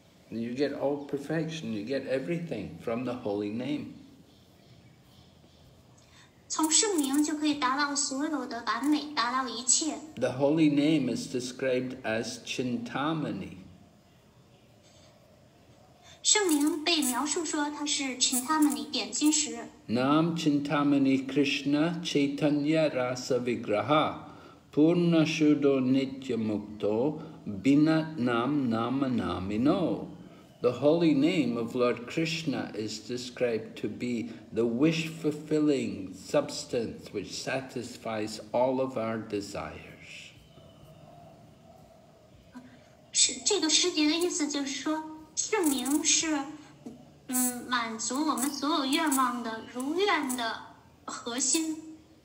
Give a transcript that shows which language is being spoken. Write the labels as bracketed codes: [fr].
[en] You get all perfection, you get everything from the holy name. [zh] 从圣名就可以达到所有的完美，达到一切。 [en] The holy name is described as Chintamani. [zh] 圣名被描述说它是 Chintamani 点金石。 [sa] Nam Chintamani Krishna Chaitanya Rasa Vigraha Purna Shuddho Nitya Mukto Binat Nam Nama Namino. [en] The holy name of Lord Krishna is described to be the wish-fulfilling substance which satisfies all of our desires. [zh] 这个诗节的意思就是说，圣名是，满足我们所有愿望的如愿的核心。